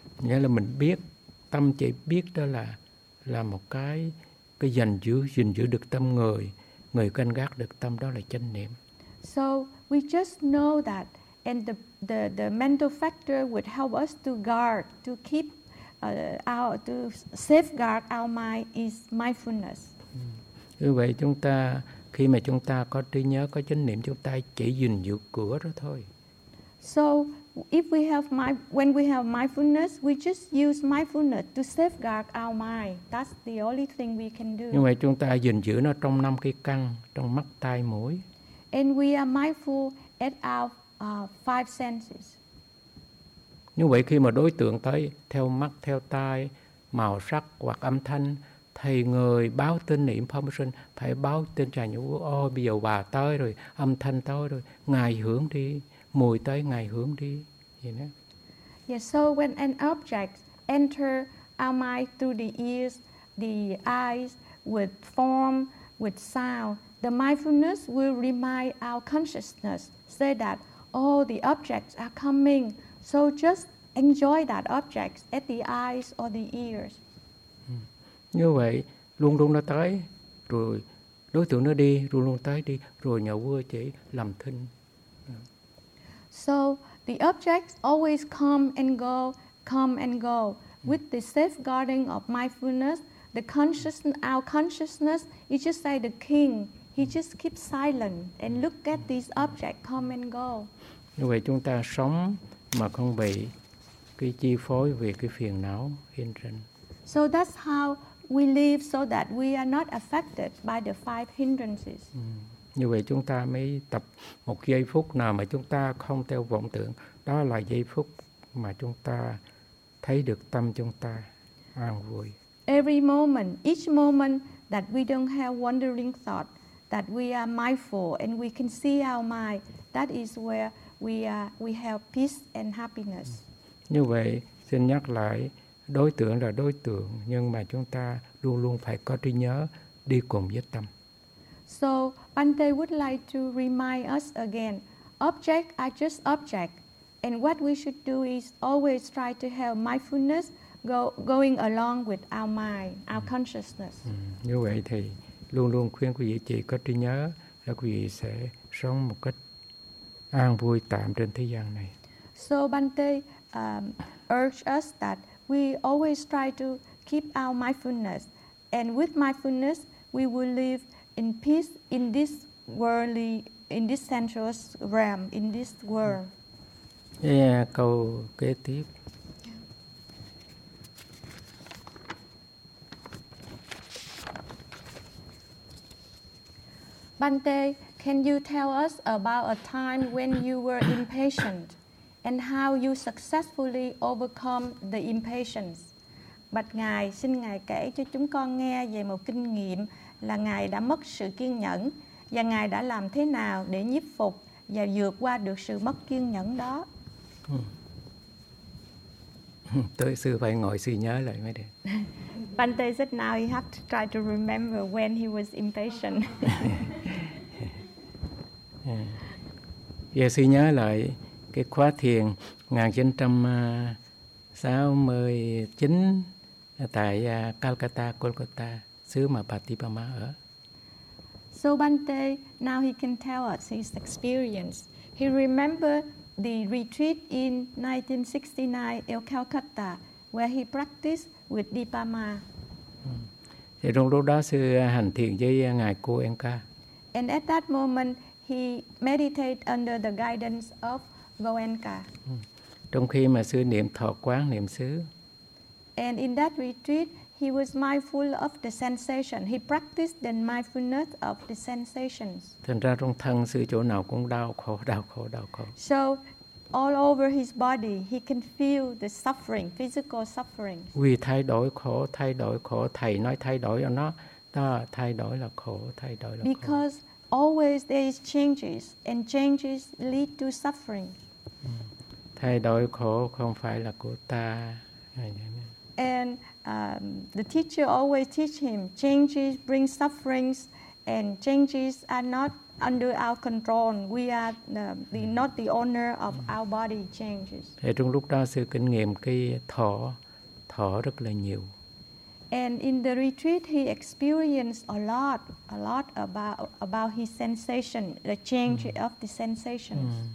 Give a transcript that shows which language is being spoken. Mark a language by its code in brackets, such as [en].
[vi] Nghĩa là mình biết, tâm chỉ biết đó là một cái gìn giữ được tâm người canh gác được tâm, đó là chánh niệm. [en] So we just know that. And the mental factor would help us to guard, to keep to safeguard our mind is mindfulness. [vi] Như vậy chúng ta, khi mà chúng ta có trí nhớ, có chánh niệm, chúng ta chỉ gìn giữ cửa đó thôi. [en] So if we have when we have mindfulness, we just use mindfulness to safeguard our mind. That's the only thing we can do. [vi] Nhưng mà chúng ta gìn giữ nó trong năm cái căn, trong mắt, tai, mũi. [en] And we are mindful at our five senses. [vi] Như vậy khi mà đối tượng tới theo mắt, theo tai, màu sắc hoặc âm thanh, thì người báo tin niệm permission phải báo tin rằng bây giờ bà tới rồi, âm thanh tới rồi, ngài hướng đi, mùi tới ngài hướng đi, vậy đó. [en] Yeah, so when an object enter our mind through the ears, the eyes, with form, with sound, the mindfulness will remind our consciousness, say that all the objects are coming, so just enjoy that object at the eyes or the ears. [vi] Như vậy, luôn luôn nó tới, rồi đối tượng nó đi, luôn luôn tới đi, rồi nhà vua chỉ làm thinh. [en] So the objects always come and go. With the safeguarding of mindfulness, the consciousness, our consciousness, you just say the king. He just keep silent and look at these objects come and go. [vi] Như vậy chúng ta sống mà không bị cái chi phối về cái phiền não hindrance. [en] So that's how we live, so that we are not affected by the five hindrances. [vi] Như vậy chúng ta mới tập một giây phút nào mà chúng ta không theo vọng tưởng, đó là giây phút mà chúng ta thấy được tâm chúng ta an vui. [en] Every moment, each moment that we don't have wandering thought, that we are mindful and we can see our mind, that is where we have peace and happiness. [vi] Như vậy, xin nhắc lại, đối tượng là đối tượng, nhưng mà chúng ta luôn luôn phải có trí nhớ đi cùng với tâm. [en] So, Bhante would like to remind us again, object are just object. And what we should do is always try to have mindfulness going along with our mind, our consciousness. [vi] Như vậy thì luôn luôn khuyên quý vị chỉ có trí nhớ là quý vị sẽ sống một cách an vui tạm trên thế gian này. [en] So Bhante urge us that we always try to keep our mindfulness, and with mindfulness we will live in peace in this worldly, in this sensuous realm, in this world. [vi] Câu kế tiếp. [en] Bhante, can you tell us about a time when you were impatient and how you successfully overcome the impatience? [vi] Bạch Ngài, xin Ngài kể cho chúng con nghe về một kinh nghiệm là Ngài đã mất sự kiên nhẫn và Ngài đã làm thế nào để nhiếp phục và vượt qua được sự mất kiên nhẫn đó. Tôi sư phải ngồi suy nhớ lại mới được. [en] Bhante said now he have to try to remember when he was impatient. [vi] Giờ suy nhớ lại cái khóa thiền 1969 tại Calcutta, Kolkata, xứ mà Patipama ở. [en] So Bhante, now he can tell us his experience. He remember the retreat in 1969 in Calcutta, where he practiced with Dipama. [vi] Thì trong lúc đó sư hành thiền với ngài cô em ca. [en] And at that moment, he meditate under the guidance of Goenka. [vi] Trong khi mà sư niệm thọ quán niệm xứ. [en] And in that retreat, he was mindful of the sensation. He practiced the mindfulness of the sensations. [vi] Thành ra trong thân sư chỗ nào cũng đau khổ, đau khổ, đau khổ. [en] So all over his body, he can feel the suffering, physical suffering. [vi] Vì thay đổi khổ, thay đổi khổ. Thầy nói thay đổi ở nó. Đó, thay đổi là khổ, thay đổi là [en] because [vi] khổ. [en] Because always there is changes, and changes lead to suffering. [vi] Thay đổi khổ không phải là của ta. [en] And the teacher always teach him changes bring sufferings, and changes are not under our control. We are not the owner of our body changes. [vi] Thì trong lúc đó sư kinh nghiệm cái thọ rất là nhiều. [en] And in the retreat he experienced a lot about his sensation, the change of the sensations.